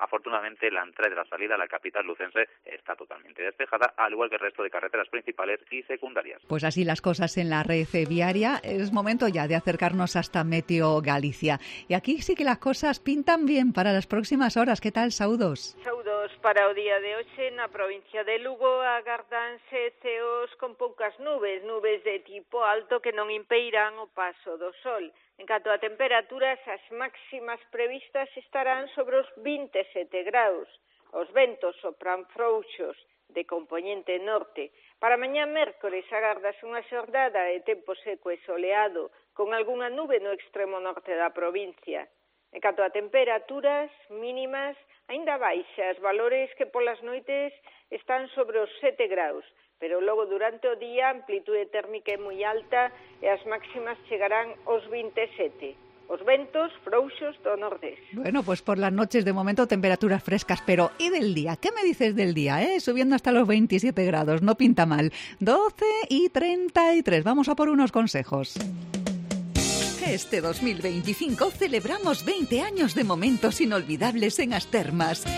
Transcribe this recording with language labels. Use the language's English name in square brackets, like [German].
[Spanish] Afortunadamente, la entrada y la salida a la capital lucense está totalmente despejada, al igual que el resto de carreteras principales y secundarias. Pues así las cosas en la red viaria. Es momento ya de acercarnos hasta Meteo Galicia. Y aquí sí que las cosas pintan bien para las próximas horas. ¿Qué tal? [Galician] Saudos. Saudos para o día de hoxe na provincia de Lugo. Agardanse ceos con poucas nubes, nubes de tipo alto que non impedirán o paso do sol. En canto a temperaturas, as máximas previstas estarán sobre os 27 graus. Os ventos sopran frouxos de compoñente norte. Para mañá mércores agardas unha xornada de tempo seco e soleado, con algunha nube no extremo norte da provincia. En canto a temperaturas mínimas, aínda baixas, valores que polas noites están sobre os 7 graus. Pero logo durante o día a amplitude térmica é moi alta e as máximas chegarán aos 27. Os ventos frouxos do nordés. [Spanish] Bueno, pues por las noches de momento temperaturas frescas, pero ¿y del día? ¿Qué me dices del día, eh? Subiendo hasta los 27 grados, no pinta mal. 12:33, vamos a por unos consejos. Este 2025 celebramos 20 años de momentos inolvidables en Astermas.